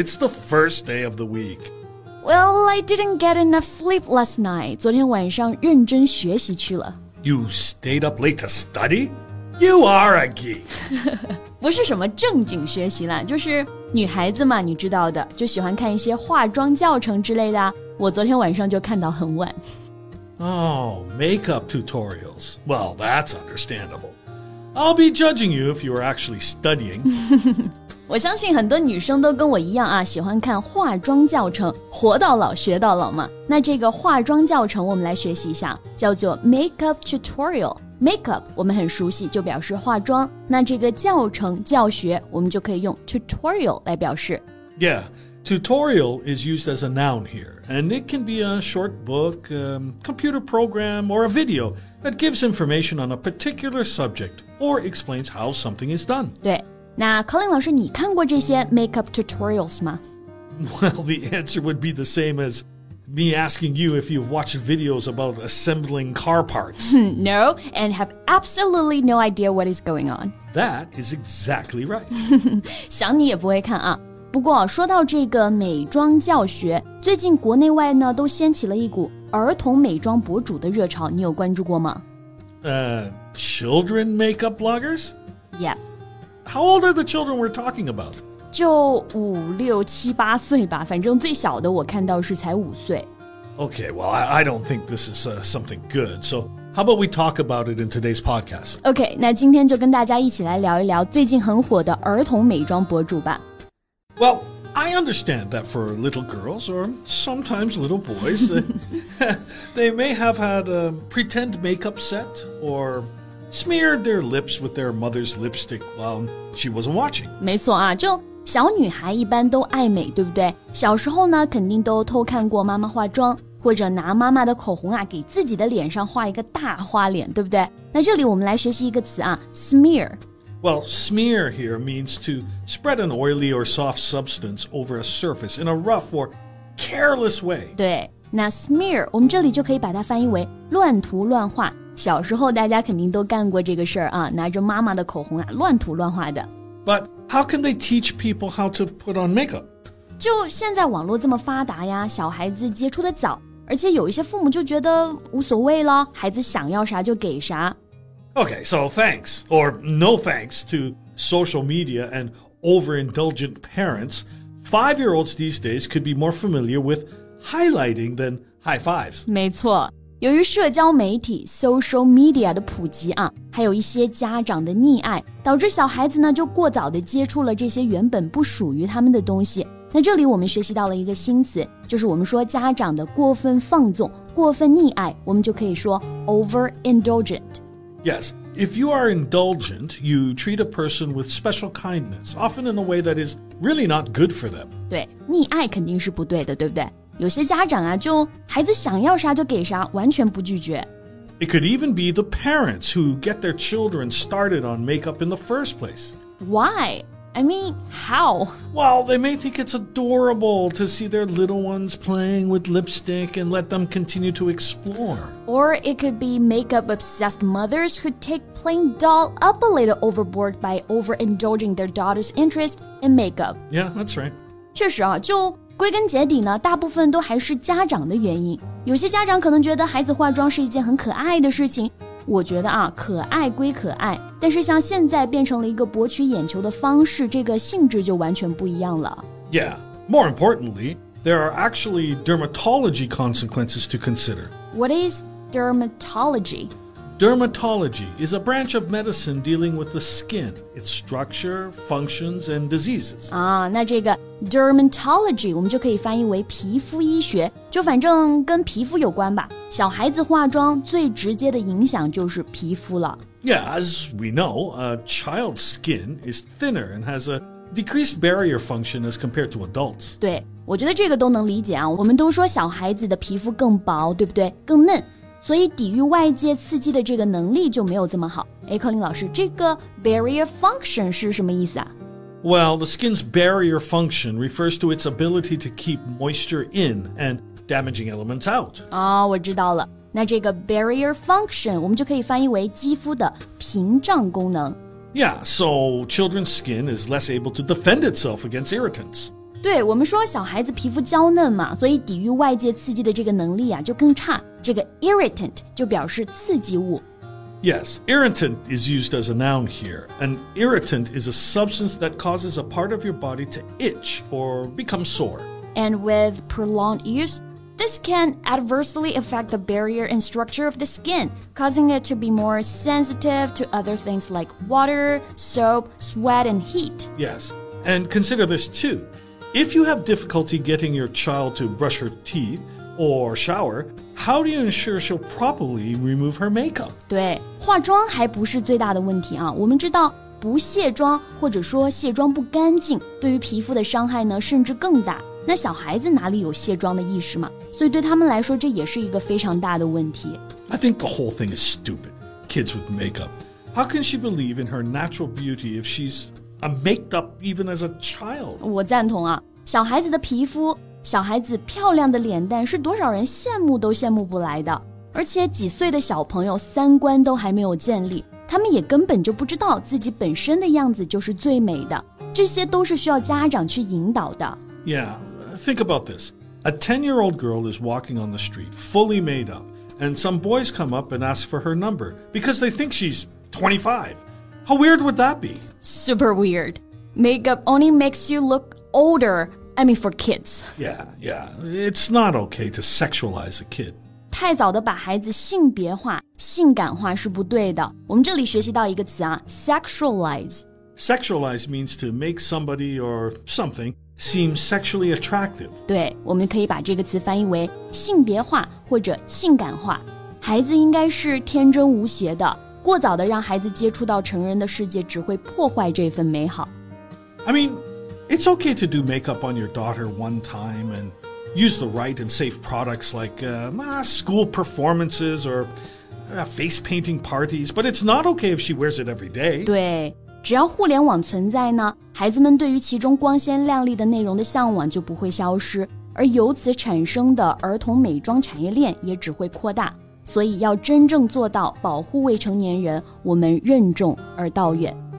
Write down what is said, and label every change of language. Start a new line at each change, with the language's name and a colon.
English: It's the first day of the week. Well, I didn't get enough sleep last night.
Chinese: 昨天晚上认真学习去了。
English: You stayed up late to study? You are a geek.
Chinese: 不是什么正经学习啦，就是女孩子嘛，你知道的，就喜欢看一些化妆教程之类的。我昨天晚上就看到很晚。
English: Oh, makeup tutorials. Well, that's understandable. I'll be judging you if you are actually studying.
Chinese: 我相信很多女生都跟我一样啊，喜欢看化妆教程，活到老学到老嘛。那这个化妆教程我们来学习一下，叫做 makeup tutorial. Makeup 我们很熟悉，就表示化妆。那这个教程教学，我们就可以用 tutorial 来表示。
English: Yeah, tutorial is used as a noun here, and it can be a short book, computer program, or a video that gives information on a particular subject. Or explains how something is done.
Chinese: 对，那 Colin 老师，你看过这些 makeup tutorials 吗？
English: Well, the answer would be the same as me asking you if you've watched videos about assembling car parts. No, and have absolutely no idea what is going on. That is exactly right.
Chinese: 想你也不会看啊。不过说到这个美妆教学，最近国内外呢都掀起了一股儿童美妆博主的热潮，你有关注过吗？
English: Children makeup bloggers? Yep. How old are the children we're talking about?
Chinese: 就五六七八岁吧，反正最小的我看到是才五岁。
English: Okay, well, I don't think this is something good. So how about we talk about it in today's podcast?
Chinese: Okay, 那今天就跟大家一起来聊一聊最近很火的儿童美妆博主吧。
English: Well, I understand that for little girls, or sometimes little boys, they may have had a pretend makeup set, or... smeared their lips with their mother's lipstick while she wasn't watching.
Chinese: 没错啊，就小女孩一般都爱美，对不对？小时候呢，肯定都偷看过妈妈化妆，或者拿妈妈的口红啊，给自己的脸上画一个大花脸，对不对？那这里我们来学习一个词啊 ，smear.
English: Well, smear here means to spread an oily or soft substance over a surface in a rough or careless way.
Chinese: 对，那 smear 我们这里就可以把它翻译为乱涂乱画。小时候大家肯定都干过这个事儿啊，拿着妈妈的口红啊乱涂乱画的。
English: But how can they teach people how to put on makeup?
Chinese: 就现在网络这么发达呀，小孩子接触的早，而且有一些父母就觉得无所谓了，孩子想要啥就给啥。
English: Okay, so thanks, or no thanks to social media and overindulgent parents, five-year-olds these days could be more familiar with highlighting than high fives.
Chinese: 没错。由于社交媒体 social media 的普及啊，还有一些家长的溺爱，导致小孩子呢就过早的接触了这些原本不属于他们的东西。那这里我们学习到了一个新词，就是我们说家长的过分放纵、过分溺爱，我们就可以说 overindulgent.
English: Yes, if you are indulgent, you treat a person with special kindness, often in a way that is really not good for them.
Chinese: 对，溺爱肯定是不对的，对不对？有些家长啊，就孩子想要啥就给啥，完全不拒绝。
English: It could even be the parents who get their children started on makeup in the first place. Why? I mean, how? Well, they may think it's adorable to see their little ones playing with lipstick and let them continue to explore. Or it could be makeup-obsessed mothers who take playing doll up a little overboard by overindulging their daughter's interest in makeup. Yeah, that's right.
Chinese: 确实啊，就归根结底呢，大部分都还是家长的原因。有些家长可能觉得孩子化妆是一件很可爱的事情。我觉得啊，可爱归可爱，但是像现在变成了一个博取眼球的方式，这个性质就完全不一样了。
English: Yeah, more importantly, there are actually dermatology consequences to consider. What is dermatology? Dermatology is a branch of medicine dealing with the skin, its structure, functions, and diseases.
Chinese: 啊，那这个 dermatology 我们就可以翻译为皮肤医学，就反正跟皮肤有关吧。小孩子化妆最直接的影响就是皮肤了。
English: Yeah, as we know, a child's skin is thinner and has a decreased barrier function as compared to adults.
Chinese: 对，我觉得这个都能理解啊。我们都说小孩子的皮肤更薄，对不对？更嫩。所以抵御外界刺激的这个能力就没有这么好。哎，柯林老师，这个 barrier function 是什么意思啊？
English: Well, the skin's barrier function refers to its ability to keep moisture in and damaging elements out.
Chinese: 哦，我知道了。那这个 barrier function 我们就可以翻译为肌肤的屏障功能。
English: Yeah, so children's skin is less able to defend itself against irritants.
Chinese: 对，我们说小孩子皮肤娇嫩嘛，所以抵御外界刺激的这个能力啊就更差。这个 irritant 就表示刺激物。
English: Yes, irritant is used as a noun here. An irritant is a substance that causes a part of your body to itch or become sore. And with prolonged use, this can adversely affect the barrier and structure of the skin, causing it to be more sensitive to other things like water, soap, sweat, and heat. Yes, and consider this too. If you have difficulty getting your child to brush her teeth,or shower, how do you ensure she'll properly remove her makeup?
Chinese: 对，化妆还不是最大的问题啊。我们知道不卸妆或者说卸妆不干净对于皮肤的伤害呢甚至更大。那小孩子哪里有卸妆的意识嘛？所以对他们来说这也是一个非常大的问题。
English: I think the whole thing is stupid. Kids with makeup. How can she believe in her natural beauty if she's a made up even as a child?
Chinese: 我赞同啊。小孩子的皮肤小孩子漂亮的脸蛋是多少人羡慕都羡慕不来的。而且几岁的小朋友三观都还没有建立，他们也根本就不知道自己本身的样子就是最美的。这些都是需要家长去引导的。
English: Yeah, think about this. A 10-year-old girl is walking on the street, fully made up, and some boys come up and ask for her number because they think she's 25. How weird would that be? Super weird. Makeup only makes you look older. I mean for kids. Yeah, yeah. It's not okay to sexualize a kid.
Chinese: 太早的把孩子性别化、性感化是不对的。我们这里学习到一个词啊 ,sexualize.
English: Sexualize means to make somebody or something seem sexually attractive.
Chinese: 对,我们可以把这个词翻译为性别化或者性感化。孩子应该是天真无邪的。过早的让孩子接触到成人的世界只会破坏这份美好。
English: I mean... It's okay to do makeup on your daughter one time and use the right and safe products like school performances or face painting parties, but it's not okay if she wears it every day.
Chinese: 对，只要互联网存在呢，孩子们对于其中光鲜亮丽的内容的向往就不会消失，而由此产生的儿童美妆产业链也只会扩大。所以要真正做到保护未成年人，我们任重而道远。